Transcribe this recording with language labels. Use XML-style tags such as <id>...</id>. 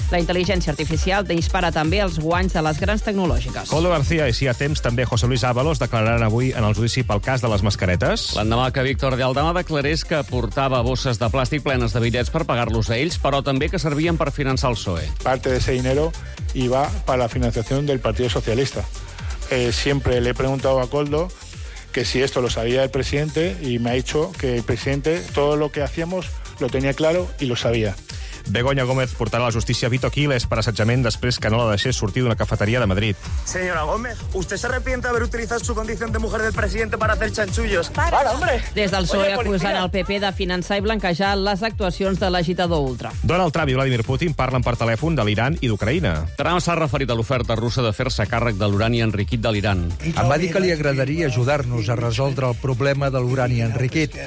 <ca>La intel·ligència artificial dispara també els guanys de les grans tecnològiques. Coldo García i si hi ha temps, també José Luis Ábalos declararan avui en el judici pel cas de les mascaretes. L'endemà que Víctor de Aldama declarés que portava bosses de plàstic plenes de bitllets per pagar-los a ells, però també que servien per finançar el</ca> <es>Parte de ese dinero iba para la financiación del Partido Socialista. Siempre le he preguntado a Coldo que si esto lo sabía el presidente y me ha dicho que el presidente todo lo que hacíamos lo tenía claro y lo sabía.</es> <ca>Begoña Gómez portarà a la justícia Vito Quiles per assetjament després que no la deixés sortir d'una cafeteria de Madrid.</ca> <es>Señora Gómez, ¿usted se arrepiente haber utilizado su condición de mujer del presidente para hacer chanchullos? Para, hombre.</es> <ca>Des del PSOE acusant el PP de finançar i blanquejar les actuacions de l'agitador ultra. Donald Trump i Vladimir Putin parlen per telèfon de l'Iran i d'Ucraïna. Trump s'ha referit a l'oferta russa de fer-se càrrec de l'urani enriquit de l'Iran. Em va dir que li agradaria ajudar-nos a resoldre el problema de l'urani enriquit.</ca>